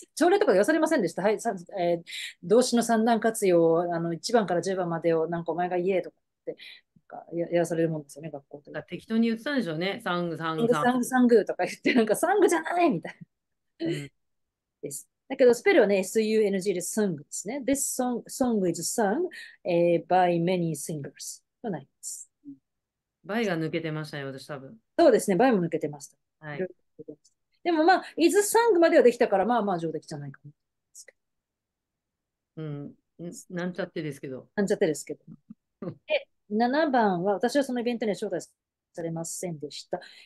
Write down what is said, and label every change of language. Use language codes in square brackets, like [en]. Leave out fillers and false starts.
[ja] 朝礼とか言わされませんでした。はい、動詞の三段活用、1番から10番までをなんかお前が言えとかって、やらされるもんですよね、学校という。適当に言ってたんでしょうね。サングササングサング、サング、サングとか言って、なんかサングじゃないみたいング。うん。な。です。だけど、スペルはね、SUNG でサングですね。 [en] This song, song is sung, by many singers. [ja] となります。バイが抜けてましたよ、私多分。そうですね、バイも抜けてました。はい。でもまあ、イズサングまではできたから、まあまあ上出来じゃないかな。うん、なんちゃってですけど。なんちゃってですけど。で、7番は、私はそのイベントには招待されませんでした。